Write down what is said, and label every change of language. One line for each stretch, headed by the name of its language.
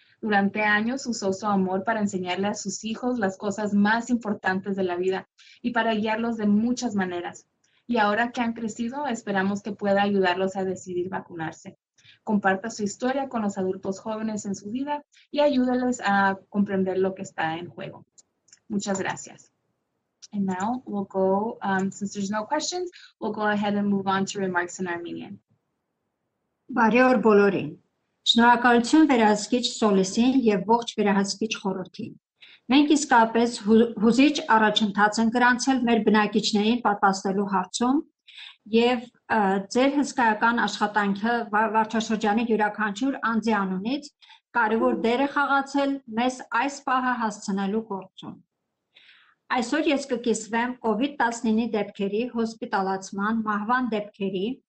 Spanish: Durante años usó su amor para enseñarle a sus hijos las cosas más importantes de la vida y para guiarlos de muchas maneras. Y ahora que han crecido, esperamos que pueda ayudarlos a decidir vacunarse. Comparta su historia con los adultos jóvenes en su vida y ayúdeles a comprender lo que está en juego. Muchas gracias.
English: And now we'll go, since there's no questions, we'll go ahead and move on to remarks in Armenian.
Armenian: Բարեօր բոլորին. Շնորհակալություն վերահսկիչ Սոլիսին եւ ողջ վերահսկիչ խորհրդին. Մենք իսկապես հուզիչ առաջընթաց ենք գրանցել մեր բնակիչներին պատասխանելու հարցում եւ ձեր հսկայական աշխատանքը վարչաշրջանի յուրաքանչյուր անձի անունից կարևոր դեր է խաղացել մեզ այս պահը հասցնելու գործում։ Այսօր ես կկիսվեմ COVID-19-ի դեպքերի, հոսպիտալացման, մահվան դեպքերի